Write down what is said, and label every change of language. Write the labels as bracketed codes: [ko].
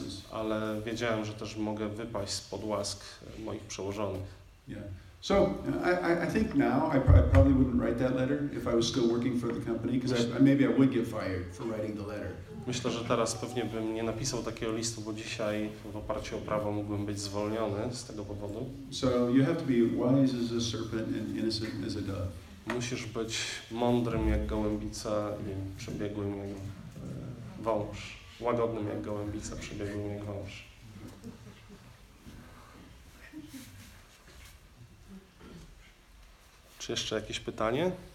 [pl] Ale wiedziałem, że też mogę wypaść spod łask moich przełożonych. [en] So I think now I probably wouldn't write that letter if I was still working for the company, because maybe I would get fired for writing the letter. [pl] Myślę, że teraz pewnie bym nie napisał takiego listu, bo dzisiaj w oparciu o prawo mógłbym być zwolniony z tego powodu. [en] So you have to be wise as a serpent and innocent as a dove. [pl] Musisz być mądrym jak gołębica i przebiegłym jak wąż. Łagodnym jak gołębica, przebiegłym jak wąż. Czy jeszcze jakieś pytanie?